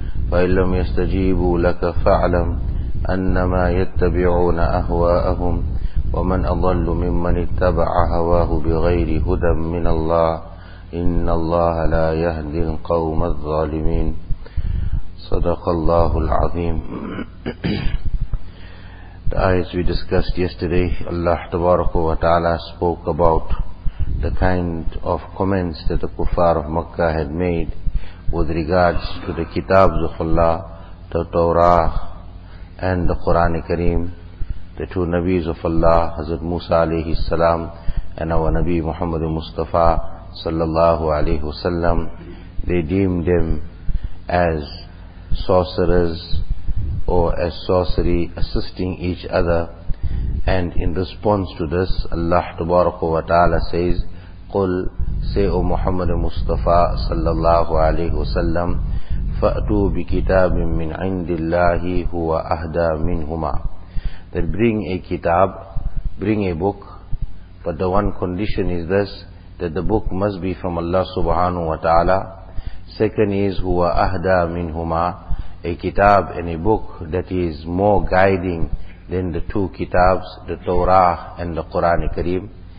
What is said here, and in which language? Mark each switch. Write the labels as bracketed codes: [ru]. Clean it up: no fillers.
[ar] فإن لم يستجيبوا لك فاعلم أنما يتبعون أهواءهم ومن أضل ممن اتبع هواه بغير هدى من الله إن الله لا يهدي القوم الظالمين. صدق الله العظيم. [en] The ayahs we discussed yesterday, Allah tabarak wa ta'ala spoke about the kind of comments that the kuffar of Makkah had made with regards to the kitabs of Allah, the Torah and the Quran Kareem, the two Nabis of Allah, Hazrat Musa alayhi salam and our Nabi Muhammad Mustafa sallallahu alayhi wa sallam. They deemed them as sorcerers or as sorcery assisting each other. And in response to this, Allah tabaraka wa ta'ala says, [ar] قُلْ سَيْءُ مُحَمَّدُ مُصْطَفَىٰ صَلَّى اللَّهُ عَلَيْهُ وَسَلَّمْ فَأْتُوا بِكِتَابٍ مِّنْ عِنْدِ اللَّهِ هُوَ أَهْدَى مِنْهُمَا. [en] That bring a kitab, bring a book, but the one condition is this, that the book must be from Allah subhanahu wa ta'ala. Second is, huwa ahda minhuma, a kitab and a book that is more guiding than the two kitabs, the Torah and the Quran Kareem.